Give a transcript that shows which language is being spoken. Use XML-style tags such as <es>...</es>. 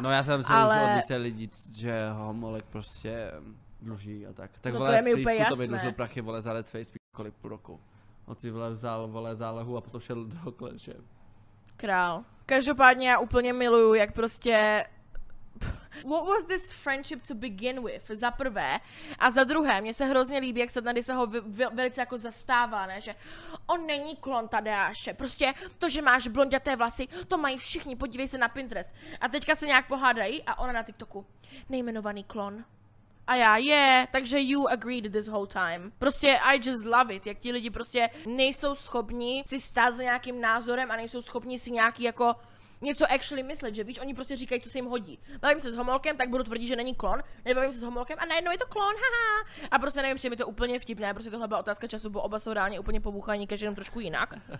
<cs>No já jsem si ale... už od více lidí, že Homolek prostě dluží a tak. Tak no, vole, to je mi úplně jasné. To by dlužil prachy, vole, za Red Face kolik půl roku. On si vzal, vole, zálohu a potom šel do Clashe. Král. Každopádně já úplně miluju, jak prostě...</cs> <en>What was this friendship to begin with?</en> <cs>Za prvé. A za druhé, mně se hrozně líbí, jak se tady se ho velice jako zastává, ne? Že on není klon Tadeáše. Prostě to, že máš blonděté vlasy, to mají všichni, podívej se na Pinterest. A teďka se nějak pohádají a ona na TikToku. Nejmenovaný klon. A já,</cs> <en>yeah, takže you agreed this whole time.</en> <cs>Prostě</cs> <en>I just love it,</en> <cs>jak ti lidi prostě nejsou schopni si stát za nějakým názorem a nejsou schopni si nějaký jako něco actually myslet, že víš, oni prostě říkají, co se jim hodí. Bavím se s Homolkem, tak budu tvrdit, že není klon, nebavím se s Homolkem a najednou je to klon, haha. A prostě nevím, že mi to úplně vtipné, prostě tohle byla otázka času, bo oba jsou reálně úplně pobuchaní, každý jenom trošku jinak.</cs>